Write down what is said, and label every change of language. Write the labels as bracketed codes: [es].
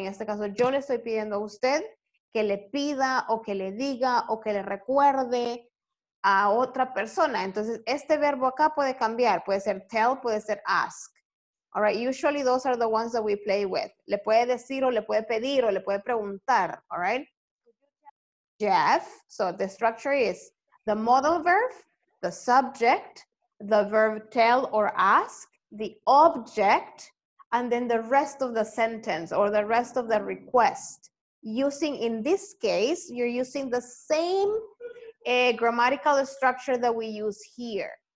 [es] En este caso, yo le estoy pidiendo a usted que le pida o que le diga o que le recuerde a otra persona. Entonces, este verbo acá puede cambiar. Puede ser tell, puede ser ask. [en] All right, usually those are the ones that we play with. [es] Le puede decir o le puede pedir o le puede preguntar. [en] All right? Jeff, so the structure is the modal verb, the subject, the verb tell or ask, the object, and then the rest of the sentence or the rest of the request. Using, in this case, you're using the same grammatical structure that we use here.